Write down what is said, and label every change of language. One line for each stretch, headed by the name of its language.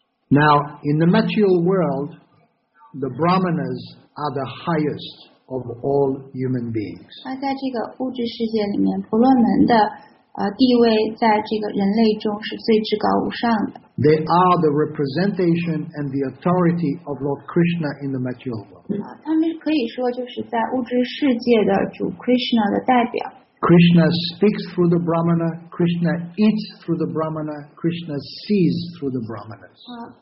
English: Now in the material world, the Brahmanas are the highest of all human beings.
Chinese: 在这个物质世界里面，婆罗门的地位在这个人类中是最至高无上的。
English: They are the representation and the authority of Lord Krishna in the material world.
Chinese: 他们可以说就是在物质世界的主 Krishna 的代表。
English: Krishna speaks through the Brahmana, Krishna eats through the Brahmana, Krishna sees through the Brahmanas.